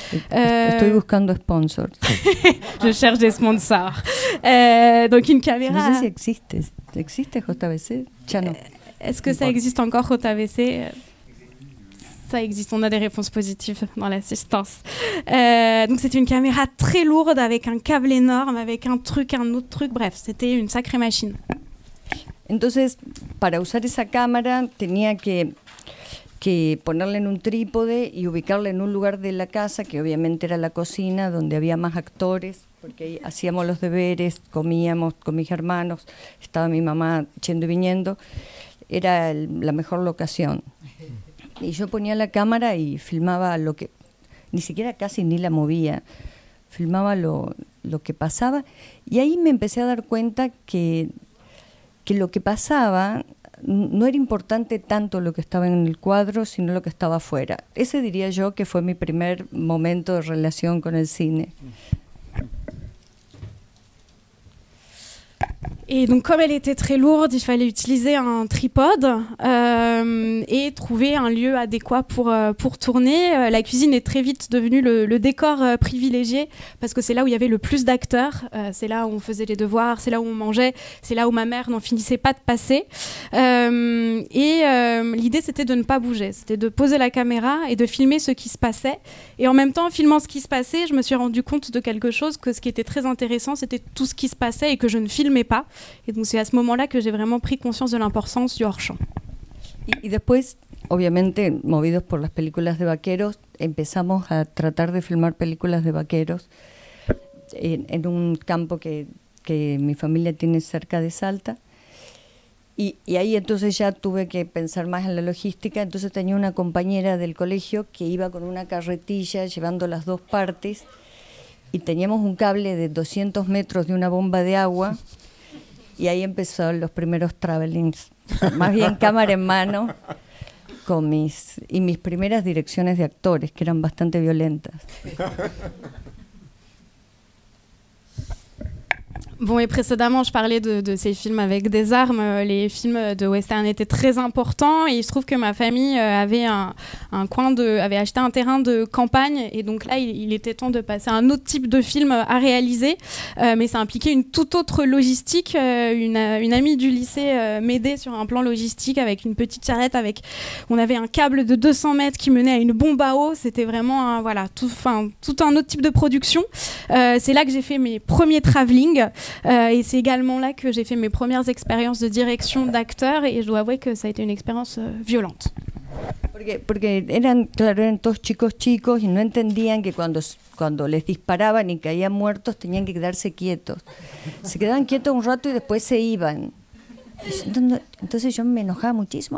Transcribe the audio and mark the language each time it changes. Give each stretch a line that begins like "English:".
Spanish: Estoy buscando sponsors.
French: Je cherche des sponsors. Donc une caméra... Je ne sais pas si existe.
Spanish: Existe JVC?
French: Chano. Est-ce que ça existe encore JVC? Ça existe, on a des réponses positives dans l'assistance. Donc c'était une caméra très lourde avec un câble énorme, avec un truc, un autre truc. Bref, c'était une sacrée machine.
Spanish: Entonces, para usar esa cámara, tenía que ponerla en un trípode y ubicarla en un lugar de la casa, que obviamente era la cocina, donde había más actores, porque ahí hacíamos los deberes, comíamos con mis hermanos, estaba mi mamá yendo y viniendo. Era la mejor locación. Y yo ponía la cámara y filmaba lo que, ni siquiera casi ni la movía, filmaba lo que pasaba. Y ahí me empecé a dar cuenta que lo que pasaba no era importante tanto lo que estaba en el cuadro, sino lo que estaba afuera. Ese diría yo que fue mi primer momento de relación con el cine.
French: Et donc comme elle était très lourde, il fallait utiliser un tripode et trouver un lieu adéquat pour tourner. La cuisine est très vite devenue le décor privilégié parce que c'est là où il y avait le plus d'acteurs. C'est là où on faisait les devoirs, c'est là où on mangeait, c'est là où ma mère n'en finissait pas de passer. L'idée c'était de ne pas bouger, c'était de poser la caméra et de filmer ce qui se passait. Et en même temps, en filmant ce qui se passait, je me suis rendu compte de quelque chose, que ce qui était très intéressant, c'était tout ce qui se passait et que je ne filmais pas.
Spanish: Y entonces, es a ese momento que
French: j'ai vraiment pris conscience de
Spanish: la importancia del hors-champ. Y después, obviamente, movidos por las películas de vaqueros, empezamos a tratar de filmar películas de vaqueros en un campo que mi familia tiene cerca de Salta. Y ahí entonces ya tuve que pensar más en la logística. Entonces tenía una compañera del colegio que iba con una carretilla llevando las dos partes y teníamos un cable de 200 metros de una bomba de agua y ahí empezó los primeros travelings, más bien cámara en mano, con mis primeras direcciones de actores, que eran bastante violentas.
French: Bon, et précédemment, je parlais de ces films avec des armes. Les films de western étaient très importants. Et il se trouve que ma famille avait avait acheté un terrain de campagne. Et donc là, il était temps de passer à un autre type de film à réaliser. Mais ça impliquait une toute autre logistique. Une amie du lycée m'aidait sur un plan logistique avec une petite charrette. On avait un câble de 200 mètres qui menait à une bombe à eau. C'était vraiment tout un autre type de production. C'est là que j'ai fait mes premiers travelling. Et c'est également là que j'ai fait mes premières expériences de direction d'acteur et je dois avouer que ça a été une expérience violente.
Spanish: Porque eran todos chicos y no entendían que cuando les disparaban y caían muertos tenían que quedarse quietos. Se quedaban quietos un rato y después se iban. Entonces yo me enojaba muchísimo.